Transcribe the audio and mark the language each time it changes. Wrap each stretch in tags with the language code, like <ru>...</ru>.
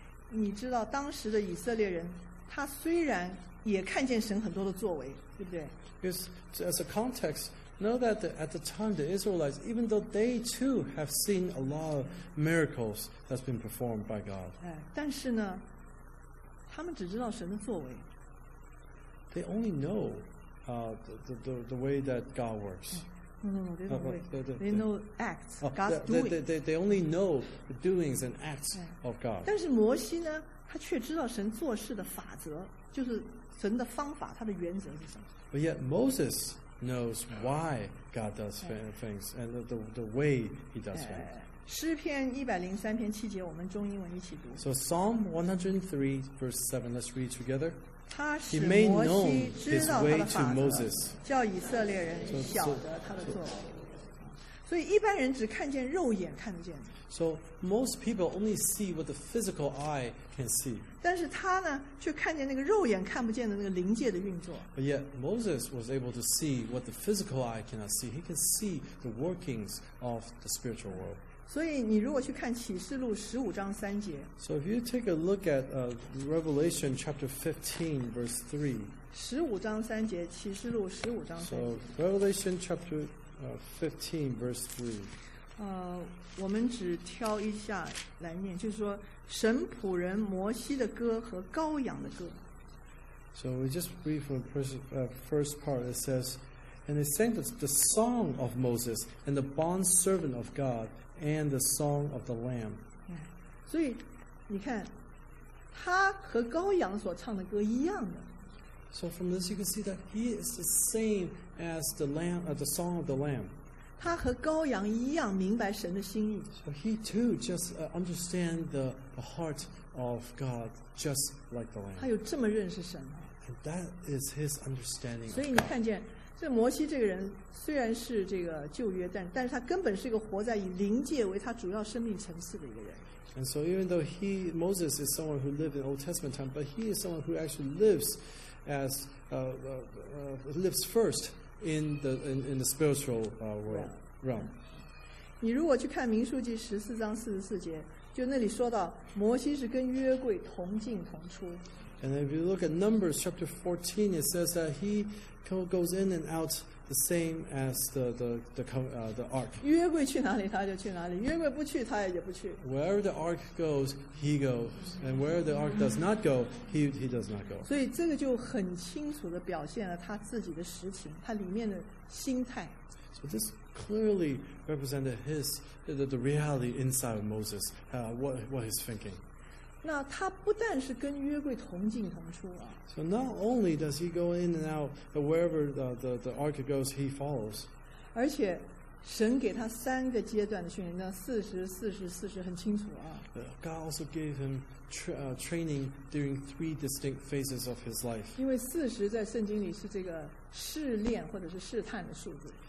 <zh>你知道当时的以色列人，他虽然也看见神很多的作为，对不对？</zh> <en>Because as a context. Know that at the time the Israelites, even though they too have seen a lot of miracles that's been performed by God,</en> <zh>但是呢，他们只知道神的作为。</zh> <en>They only know the way that God works. No, they know acts. They only know the doings and acts of God.</en> <zh>但是摩西呢，他却知道神做事的法则，就是神的方法，他的原则是什么。</zh> <en>But yet Moses. Knows why God does things and the way He does things.</en> <zh>诗篇103:7，我们中英文一起读。</zh> <en>So Psalm 103:7, let's read together. He made known His way to Moses.</en> <zh>叫以色列人晓得他的作为。所以一般人只看见肉眼看得见的。</zh> <en>So most people only see what the physical eye can see. 但是他呢，却看见那个肉眼看不见的那个灵界的运作。 But yet Moses was able to see what the physical eye cannot see. He can see the workings of the spiritual world.</en> <zh>所以你如果去看启示录十五章三节。</zh> <en>So if you take a look at Revelation chapter 15 verse 3.</en> <zh>十五章三节，启示录十五章三节。</zh> <en>So Revelation chapter 15 verse 3。</en> <zh>我们只挑一下来念，就是说神仆人摩西的歌和羔羊的歌。</zh> <en>So we just read from the first part. It says, "And they sang the song of Moses and the bond servant of God and the song of the Lamb."</en> <zh>所以你看，他和羔羊所唱的歌一样的。</zh> <en>So from this you can see that he is the same as the lamb, the song of the lamb.</en> <zh>他和羔羊一样明白神的心意。</zh> <en>So he too just understand the heart of God just like the lamb.</en> <zh>他有这么认识神。</zh> <en>And that is his understanding of</en> <zh>God. 所以你看见这摩西这个人虽然是这个旧约，但是他根本是一个活在以灵界为他主要生命层次的一个人。</zh> <en>And so even though he, Moses is someone who lived in Old Testament time, but he is someone who actually lives as lives first in the spiritual world realm.</en> <zh>你如果去看民数记十四章四十四节，就那里说到摩西是跟约柜同进同出。</zh> <en>And if you look at Numbers chapter 14, it says that he goes in and out the same as the ark.</en> <zh>约柜去哪里他就去哪里，约柜不去他也不去。</zh> <en>Where the ark goes, he goes. And where the ark does not go, he does not go.</en> <zh>所以这个就很清楚地表现了他自己的实情，他里面的心态。</zh> <en>So this clearly represented his, the reality inside of Moses, what he's thinking.</en> <zh>那他不但是跟约柜同进同出啊。</zh> <en>So not only does he go in and out, but wherever the ark goes, he follows.</en> <zh>而且神给他三个阶段的训练，那四十、四十、四十很清楚啊。</zh> <en>God also gave him training during three distinct phases of his life.</en> <zh>因为四十在圣经里是这个试炼或者是试探的数字。</zh>